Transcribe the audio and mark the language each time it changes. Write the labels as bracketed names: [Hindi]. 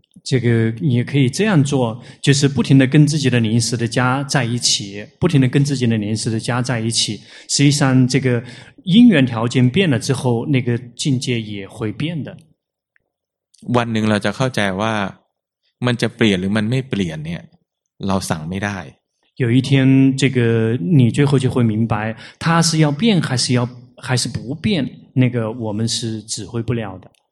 [Chinese] 这个也可以这样做就是不停的跟自己的临时的家在一起不停的跟自己的临时的家在一起实际上这个因缘条件变了之后那个境界也会变的 [Thai] วันหนึ่งเราจะเข้าใจว่ามันจะเปลี่ยนหรือมันไม่เปลี่ยนเนี่ยเราสั่งไม่ได้ [Chinese] 有一天这个你最后就会明白它是要变还是不变那个我们是指挥不了的